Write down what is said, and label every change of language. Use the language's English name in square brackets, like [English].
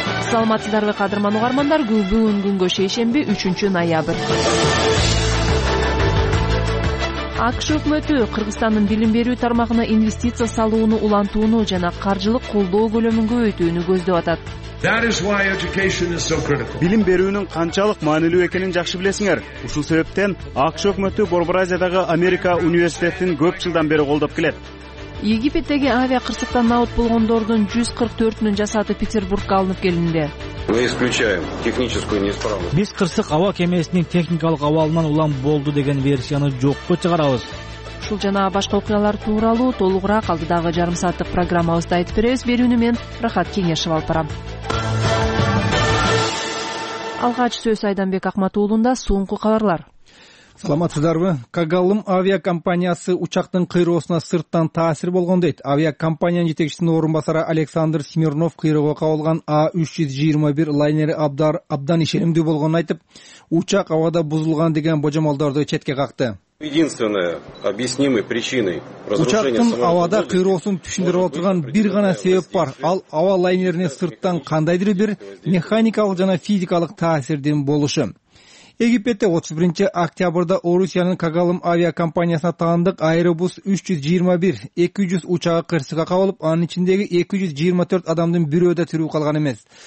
[Kyrgyz] Саламатсыздарбы кадырман угармандар, бүгүнкү шейшемби 3 ноябрь. АКШ өкмөтү Кыргызстандын билим берүү тармагына инвестиция салууну улантууну жана каржылык колдоо көлөмүн көбөйтүүнү көздөп атат. [English] That is why education is so critical. [Kyrgyz] Билим берүүнүн канчалык маанилүү экенин жакшы билесиңер. Ушул себептен АКШ өкмөтү Борбразиядагы Америка университетин көп жылдан бери колдоп келет. Египеттеги авиа кырсыктан наут болгондордун 144-нүн жасаты Петербургка алынып келинди. [Russian] Мы исключаем техническую неисправность. [Kyrgyz] Биз кырсык аба кемесинин техникалык абалынан улам болду деген версияны жокко чыгарабыз. Ушул жана башка окуялар тууралуу толугураак алдыдагы жарым сааттык программабызда айтып беребиз. Берүүнү мен Рахат Кеңешов алып барам. Алгач сөз Айданбек Акматуулунда, соңку кабарлар. Саламатсыздарбы. Кагалым авиакомпаниясы учактын кыйроосуна сырттан таасир болгон дейт. Авиакомпаниянын жетекчисинин орун басары Александр Смирнов кыйроого кабылган A321 лайнери абдан ишенимдүү болгонун айтып, учак абада бузулган деген божомолдорду четке какты. [Russian] Единственная объяснимая причина разрушения [Kyrgyz] учактын абада кыйроосун түшүндүрүп отурган бир гана себеп бар. Ал аба лайнерине сырттан кандайдыр бир механикалык жана физикалык таасирдин болушу. Египетте 31 октябрда Орусиянын Кагалым авиакомпаниясына таандык Airbus 321 200 учагы кырсыкка кабылып, анын ичиндеги 224 адамдын бирөө да тирүү калган эмес.